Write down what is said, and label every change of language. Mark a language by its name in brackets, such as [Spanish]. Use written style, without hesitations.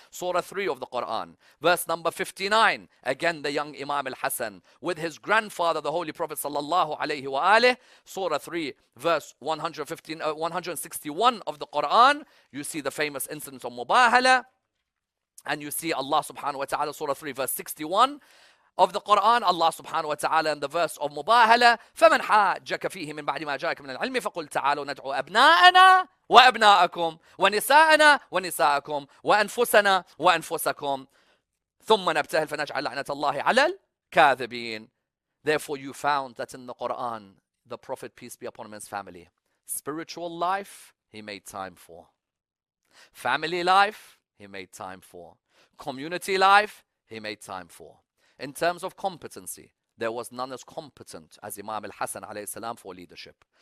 [English] Surah 3 of the Quran, verse number 59. Again, the young Imam al-Hasan with his grandfather, the Holy Prophet sallallahu alayhi wa alayhi. Surah 3, verse 161 of the Quran. You see the famous incident of Mubahala. And you see Allah subhanahu wa ta'ala, Surah 3, verse 61. Of the Quran, Allah subhanahu wa ta'ala in the verse of Mubahala, [Arabic] فَمَنْ حَاجَّكَ فِيهِ مِنْ بَعْدِ مَا جَاءَكَ مِنَ الْعِلْمِ فَقُلْ تَعَالُوا نَدْعُوا أَبْنَاءَنَا وَأَبْنَاءَكُمْ وَنِسَاءَنَا وَنِسَاءَكُمْ وَأَنفُسَنَا وَأَنفُسَكُمْ ثُمَّ نَبْتَهِلْ فَنَجْعَلْ لَعْنَةَ اللَّهِ عَلَى الْكَاذِبِينَ. [English] Therefore you found that in the Quran, the Prophet, peace be upon him, his family, spiritual life, he made time for. Family life, he made time for. Community life, he made time for. In terms of competency, there was none as competent as Imam al-Hasan alayhi salam for leadership.